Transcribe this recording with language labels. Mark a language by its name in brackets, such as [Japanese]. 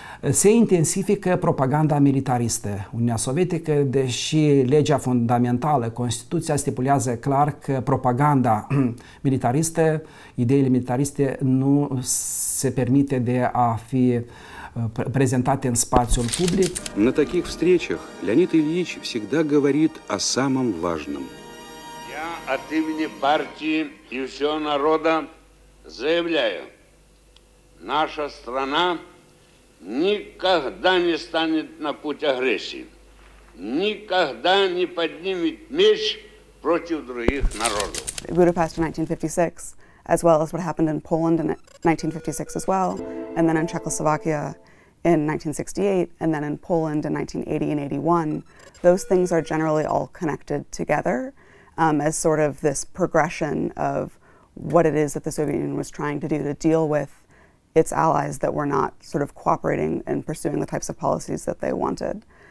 [Romanian] Se intensifică propaganda militaristă. Uniunea Sovietică, deși legea fundamentală, Constituția, stipulează clar că propaganda militaristă, ideile militariste, nu se permite de a fi prezentate în spațiul public. [Russian] На таких встречах Леонид Ильич всегда говорит о самом важном. Я от имени партии и всего народа заявляю, наша страна никогда не станет на путь агрессии, никогда не поднимет меч против других народов. [English] Budapest in 1956, as well as what happened in Poland in 1956 as well, and then in Czechoslovakia in 1968, and then in Poland in 1980 and 81, those things are generally all connected together as sort of this progression of what it is that the Soviet Union was trying to do to deal with its allies that were not sort of cooperating and pursuing the types of policies that they wanted.